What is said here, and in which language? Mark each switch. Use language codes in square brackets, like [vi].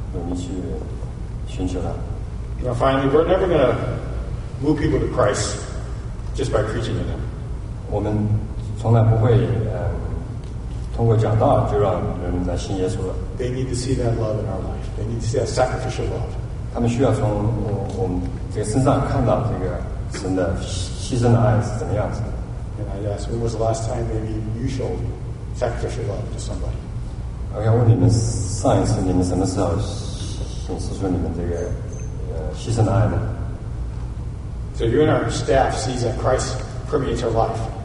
[zh] 我们必须要神帮助我们，不断的努力去寻求他。 [en] You know, finally, we're never going to move people to Christ just by preaching to them. [zh] 我们从来不会通过讲道就让人来信耶稣了。 [en] They need to see that love in our life. They need to see that sacrificial love. [zh] 他们需要从我们这个身上看到这个神的牺牲的爱是怎么样子的。 [en] And I ask, when was the last time maybe you showed sacrificial love to somebody? [zh] 我要问你们上一次你们什么时候显示出你们这个牺牲的爱呢？ [en] So you and our staff see that Christ permeates our life.